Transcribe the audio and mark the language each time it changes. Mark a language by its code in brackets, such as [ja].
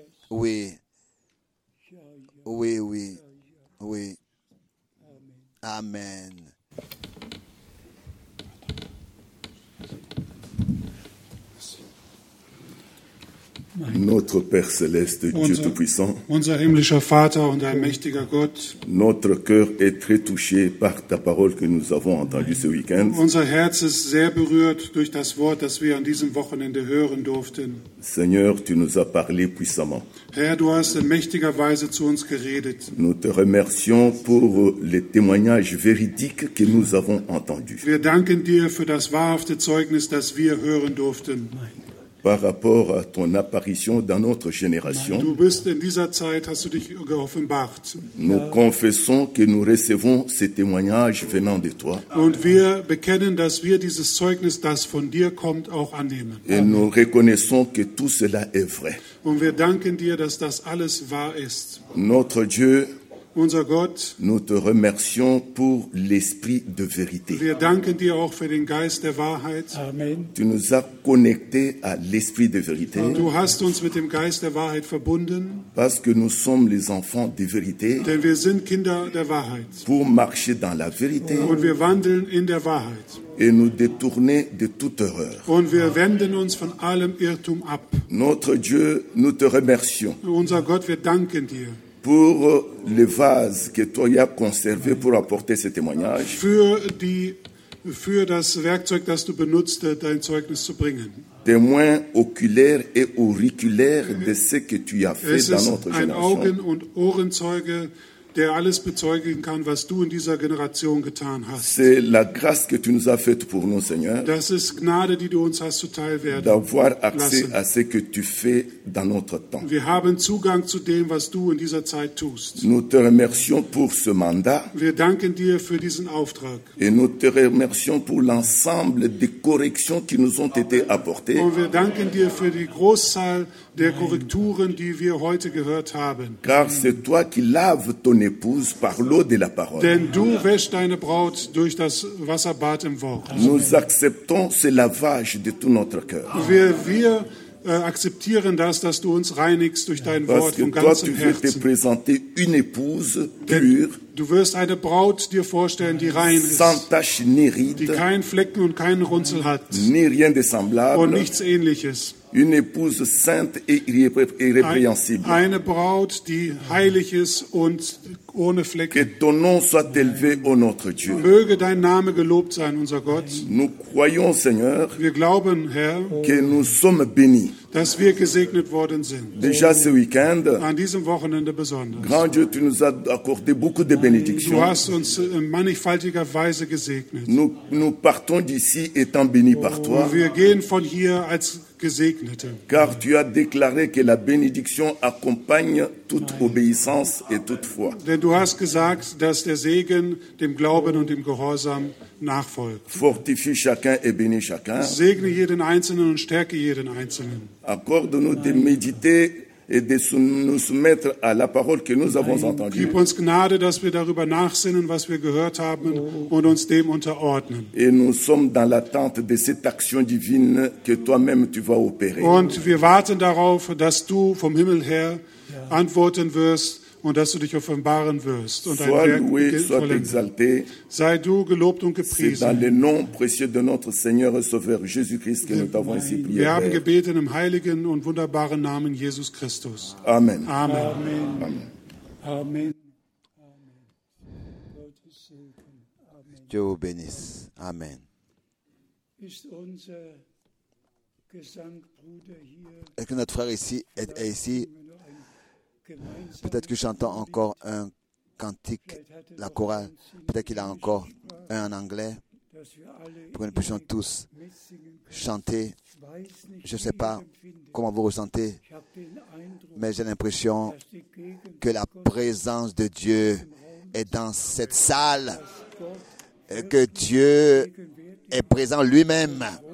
[fr] Oui. Oui, oui. Oui. Amen. Notre Père céleste, Dieu tout-puissant. [de] Unser himmlischer Vater und allmächtiger Gott. [fr] Notre cœur est très touché par ta parole que nous avons entendue ce week-end. [de] Unser Herz ist sehr berührt durch das Wort, das wir an diesem Wochenende hören durften. [fr] Seigneur, tu nous as parlé puissamment. [de] Herr, du hast in mächtiger Weise zu uns geredet. [fr] Nous te remercions pour les témoignages véridiques que nous avons entendus. [de] Wir danken dir für das wahrhafte Zeugnis, das wir hören durften. [fr] Par rapport à ton apparition dans notre génération, [de] du bist in dieser Zeit, hast du dich geoffenbart. [fr] Nous confessons que nous recevons ces témoignages venant de toi. [de] Und wir bekennen, dass wir dieses Zeugnis, das von dir kommt, auch annehmen. [fr] Et nous reconnaissons que tout cela est vrai. [de] Und wir danken dir, dass das alles wahr ist. [fr] Notre Dieu, [de] unser Gott, [fr] nous te remercions pour l'esprit de vérité. [de] Wir danken dir auch für den Geist der Wahrheit. Amen. [fr] Tu nous as connectés à l'esprit de vérité. [de] Du hast uns mit dem Geist der Wahrheit verbunden. [fr] Parce que nous sommes les enfants de vérité. [de] Denn wir sind Kinder der Wahrheit. [fr] Pour marcher dans la vérité. [de] Und wir wandeln in der Wahrheit. [fr] Et nous détourner de toute erreur. [de] Und wir wenden uns von allem Irrtum ab. [fr] Notre Dieu, nous te remercions. [de] Unser Gott, wir danken dir. [fr] Pour les vases que toi as conservés pour apporter ces témoignages. [de] Für das Werkzeug, das du benutzt, dein Zeugnis zu bringen. [fr] Témoin oculaire et auriculaire de ce que tu as fait dans notre génération. [de] Es ist ein Augen- und Ohrenzeuge der alles bezeugen kann, was du in dieser Generation getan hast. [fr] C'est la grâce que tu nous as faite pour nous, Seigneur. [de] Das ist Gnade, die du uns hast zuteil werden. [fr] D'avoir accès à ce que tu fais dans notre temps. [de] Wir haben Zugang zu dem, was du in dieser Zeit tust. [fr] Nous te remercions pour ce mandat. [de] Wir danken dir für diesen Auftrag. [fr] Et nous te remercions pour l'ensemble des corrections qui nous ont été apportées. [de] Und wir danken dir für die Großzahl der Korrekturen, die wir heute gehört haben. [fr] Car c'est toi qui laves ton épouse par l'eau de la parole. [de] Denn du wäschst deine Braut durch das Wasserbad im Wort. [fr] Nous acceptons ce lavage de tout notre cœur. [de] Wir akzeptieren das, dass du uns reinigst durch dein Wort vom ganzen Herzen. [fr] Parce que toi, tu veux te présenter une épouse pure. [de] Du wirst eine Braut dir vorstellen, die rein ist. [fr] Sans tache ni ride. [de] Die keinen Flecken und keinen Runzel hat. [fr] Ni rien de semblable. [de] Und nichts Ähnliches. [fr] Une épouse sainte et irrépréhensible. [de] Eine Braut, die heilig ist und ohne Flecken. [fr] Que ton nom soit élevé, ô notre Dieu. [de] Möge dein Name gelobt sein, unser Gott. [fr] Nous croyons, Seigneur, [de] wir glauben, Herr, [fr] que nous sommes bénis. [de] Dass wir gesegnet worden sind. [fr] Déjà ce weekend, [de] an diesem Wochenende besonders. [fr] Grand Dieu, tu nous as accordé beaucoup de bénédictions. [de] Du hast uns in mannigfaltiger Weise gesegnet. [fr] Nous partons d'ici étant bénis par toi. [de] Wir gehen von hier als Gesegnete. [fr] Car tu as déclaré que la bénédiction accompagne toute obéissance et toute foi. [de] Denn du hast gesagt, dass der Segen dem Glauben und dem Gehorsam nachfolgt. [fr] Fortifie chacun et bénis chacun. [de] Segne jeden Einzelnen und stärke jeden Einzelnen. [fr] Accorde-nous de méditer et de nous soumettre à la parole que nous avons entendue. [de] Gib uns Gnade, dass wir darüber nachsinnen, was wir gehört haben, und uns dem unterordnen. [fr] Et nous sommes dans l'attente de cette action divine que toi-même tu vas opérer. [de] Und wir warten darauf, dass du vom Himmel her antworten wirst und dass du dich offenbaren wirst und dein Werk vollenden. Sei du gelobt und gepriesen. [fr] C'est dans le nom précieux de notre Seigneur et Sauveur Jésus-Christ que nous t'avons ainsi prié. [de] Wir haben gebeten im heiligen und wunderbaren Namen Jesus Christus. Amen. Amen. Amen. Amen. Amen. Amen. [fr] Dieu vous bénisse. Amen. [de] Ist unser Gesangbruder hier? [fr] Est-ce que notre frère ici est ici? Peut-être que j'entends encore un cantique, la chorale. Peut-être qu'il y a encore un en anglais pour que nous puissions tous chanter. Je ne sais pas comment vous ressentez, mais j'ai l'impression que la présence de Dieu est dans cette salle et que Dieu est présent lui-même.